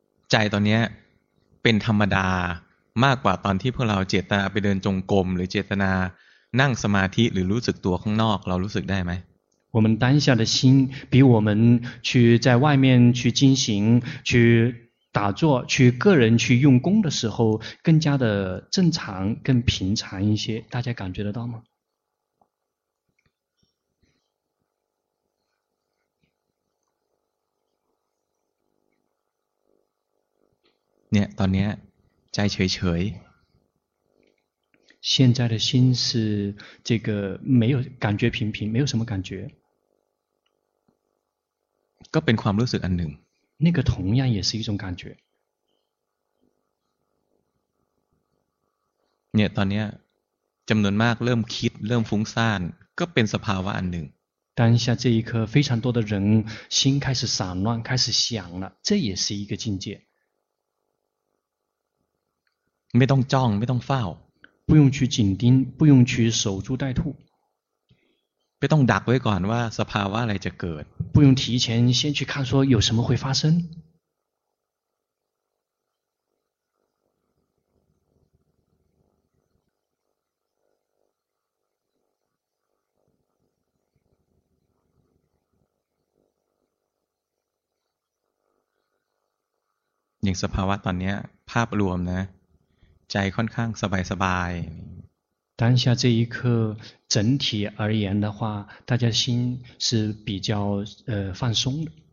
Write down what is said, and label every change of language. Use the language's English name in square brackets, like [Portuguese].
[Thai] ใจตอนนี้เป็นธรรมดามากกว่าตอนที่พวกเราเจตนาไปเดินจงกรมหรือเจตนานั่งสมาธิหรือรู้สึกตัวข้างนอกเรารู้สึกได้ไหม [Chinese] 我们当下的心比我们去在外面去进行去打坐去个人去用功的时候更加的正常更平常一些大家感觉得到吗 [Thai] 你ตอนนี้ใจเฉยเฉย [Chinese] 现在的心是这个没有感觉平平没有什么感觉 [Thai] ก็เป็นความรู้สึกอันหนึ่ง [Chinese] 那个同样也是一种感觉 [Thai] เนี่ยตอนนี้จำนวนมากเริ่มคิดเริ่มฟุ้งซ่านก็เป็นสภาวะอันหนึ่ง [Chinese] 当下这一刻非常多的人心开始散乱开始想了这也是一个境界 [Thai] ไม่ต้องจ้องไม่ต้องเฝ้า [Chinese] 不用去紧盯不用去守株待兔 [Thai] ไม่ต้องดักไว้ก่อนว่าสภาวะอะไรจะเกิด [Chinese] 不用提前先去看说有什么会发生 [Thai] อย่างสภาวะตอนนี้ภาพรวมนะใจค่อนข้างสบายสบาย [Chinese] 当下这一刻整体而言的话大家心是比较放松的